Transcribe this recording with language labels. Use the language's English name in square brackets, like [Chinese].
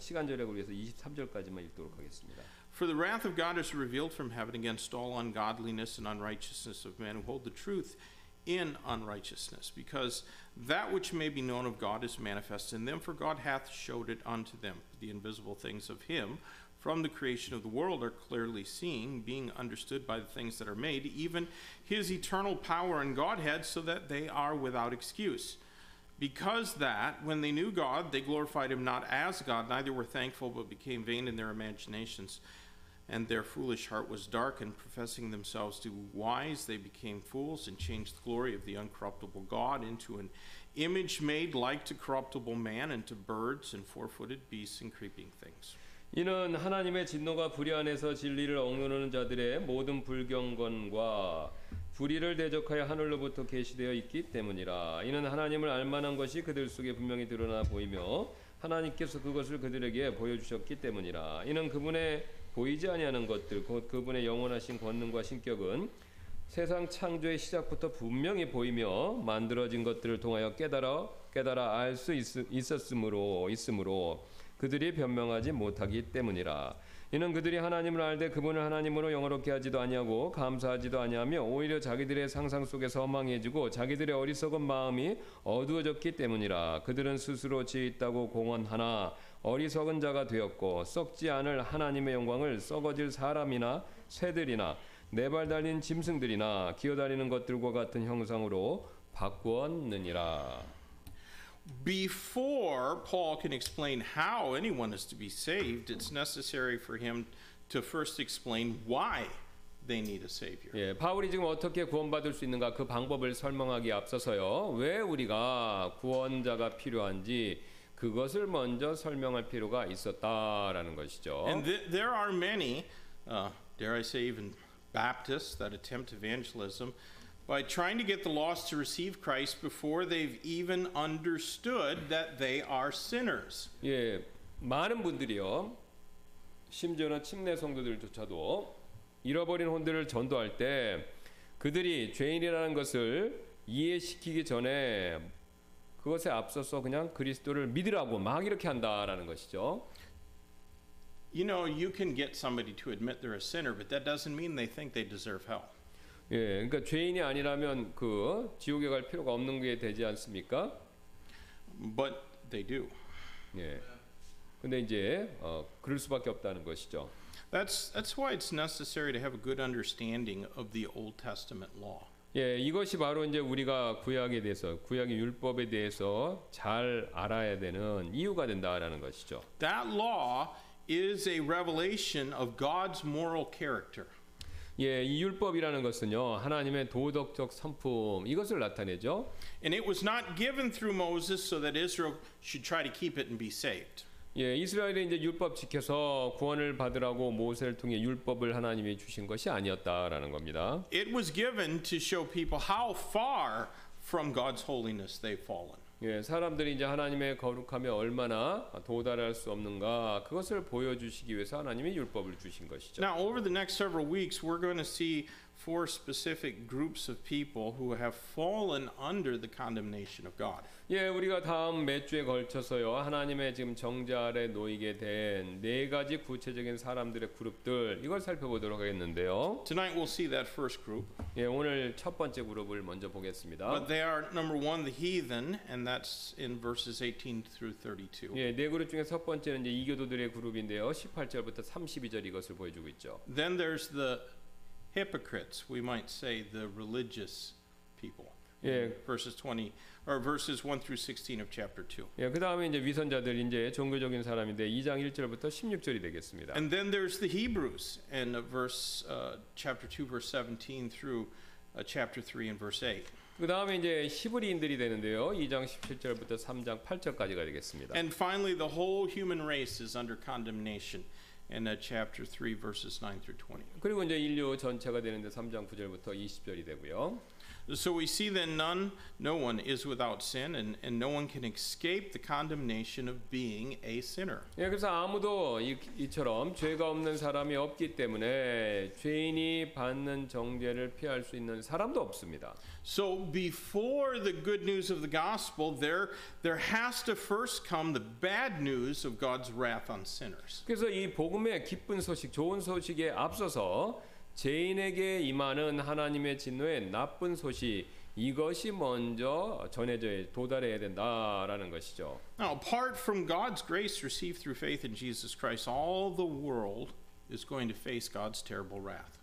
[Korean] 시간절약을 위해서 23절까지만 읽도록 하겠습니다. [English] For the wrath of God is revealed from heaven against all ungodliness and unrighteousness of men who hold the truth in unrighteousness, because that which may be known of God is manifest in them, for God hath showed it unto them. The invisible things of him from the creation of the world are clearly seen, being understood by the things that are made, even his eternal power and Godhead, so that they are without excuse. Because that, when they knew God, they glorified him not as God, neither were thankful, but became vain in their imaginations, and their foolish heart was darkened. Professing themselves to be wise, they became fools, and changed the glory of the uncorruptible God into an image made like to corruptible man, and to birds, and four-footed beasts, and creeping things. [Korean] 이는 하나님의 진노가 불의 안에서 진리를 억누르는 자들의 모든 불경건과 불의를 대적하여 하늘로부터 계시되어 있기 때문이라. 이는 하나님을 알만한 것이 그들 속에 분명히 드러나 보이며 하나님께서 그것을 그들에게 보여주셨기 때문이라. 이는 그분의 보이지 아니하는 것들 곧 그분의 영원하신 권능과 신격은 세상 창조의 시작부터 분명히 보이며 만들어진 것들을 통하여 깨달아 알 수 있었으므로 그들이 변명하지 못하기 때문이라. 이는 그들이 하나님을 알되 그분을 하나님으로 영화롭게 하지도 아니하고 감사하지도 아니하며 오히려 자기들의 상상 속에서 허망해지고 자기들의 어리석은 마음이 어두워졌기 때문이라. 그들은 스스로 지혜 있다고 공언하나 어리석은 자가 되었고 썩지 않을 하나님의 영광을 썩어질 사람이나 새들이나 네 발 달린 짐승들이나 기어 다니는 것들과 같은 형상으로 바꾸었느니라. [English] Before Paul can explain how anyone is to be saved, it's necessary for him to first explain why they need a savior. [Korean] 예, 바울이 지금 어떻게 구원받을 수 있는가 그 방법을 설명하기 앞서서요, 왜 우리가 구원자가 필요한지 그것을 먼저 설명할 필요가 있었다라는 것이죠. [English] And there are many, dare I say, even Baptists that attempt evangelism by trying to get the lost to receive Christ before they've even understood that they are sinners. [Korean] 예, 많은 분들이요, 심지어는 침례 성도들조차도 잃어버린 혼들을 전도할 때 그들이 죄인이라는 것을 이해시키기 전에 그것에 앞서서 그냥 그리스도를 믿으라고 막 이렇게 한다라는 것이죠. [English] You know, you can get somebody to admit they're a sinner, but that doesn't mean they think they deserve hell. [Korean] 예, 그러니까 죄인이 아니라면 그 지옥에 갈 필요가 없는 게 되지 않습니까? [English] But they do. 예. [Korean] 근데 이제 그럴 수밖에 없다는 것이죠. [English] That's why it's necessary to have a good understanding of the Old Testament law. [Korean] 예, 이것이 바로 이제 우리가 구약에 대해서 구약의 율법에 대해서 잘 알아야 되는 이유가 된다라는 것이죠. [English] That law is a revelation of God's moral character. [Korean] 예, 이 율법이라는 것은요, 하나님의 도덕적 성품 이것을 나타내죠. [English] And it was not given through Moses so that Israel should try to keep it and be saved. [Korean] 예, 이스라엘이 이제 율법 지켜서 구원을 받으라고 모세를 통해 율법을 하나님이 주신 것이 아니었다라는 겁니다. [English] It was given to show people how far from God's holiness they've fallen. [Korean] 예, 사람들이 이제 하나님의 거룩함에 얼마나 도달할 수 없는가 그것을 보여주시기 위해서 하나님이 율법을 주신 것이죠. [English] Now over the next several weeks, we're going to see four specific groups of people who have fallen under the condemnation of God. [Korean] 예, 우리가 다음 몇 주에 걸쳐서요 하나님의 지금 정죄 아래 놓이게 된 네 가지 구체적인 사람들의 그룹들 이걸 살펴보도록 하겠는데요. [English] Tonight we'll see that first group. [Korean] 예, 오늘 첫 번째 그룹을 먼저 보겠습니다. [English] But they are number one, the heathen, and that's in verses 18 through 32. [Korean] 예, 네 그룹 중에 첫 번째는 이제 이교도들의 그룹인데요. 18절부터 32절 이것을 보여주고 있죠. [English] Then there's the hypocrites, we might say the religious people. 예, verses 20. Or verses 1 through 16 of chapter 2. [Korean] 예, 그다음에 이제 위선자들 이제 종교적인 사람인데 2장 1절부터 16절이 되겠습니다. [English] And then there's the Hebrews in verse chapter 2 verse 17 through chapter 3 and verse 8. [Korean] 그다음에 이제 히브리인들이 되는데요. 2장 17절부터 3장 8절까지가 되겠습니다. [English] And finally the whole human race is under condemnation in chapter 3 verses 9 through 20. [Korean] 그리고 이제 인류 전체가 되는데 3장 9절부터 20절이 되고요. [English] So we see then no one is without sin and no one can escape the condemnation of being a sinner. [Korean] 예, 그래서 아무도 이처럼 죄가 없는 사람이 없기 때문에 죄인이 받는 정죄를 피할 수 있는 사람도 없습니다. [English] So before the good news of the gospel there has to first come the bad news of God's wrath on sinners. [Korean] 그래서 이 복음의 기쁜 소식, 좋은 소식에 앞서서 죄인에게 임하는 하나님의 진노의 나쁜 소식 이것이 먼저 전해져야 도달해야 된다라는 것이죠. [English] Now, apart from God's grace received through faith in Jesus Christ, all the world is going to face God's terrible wrath.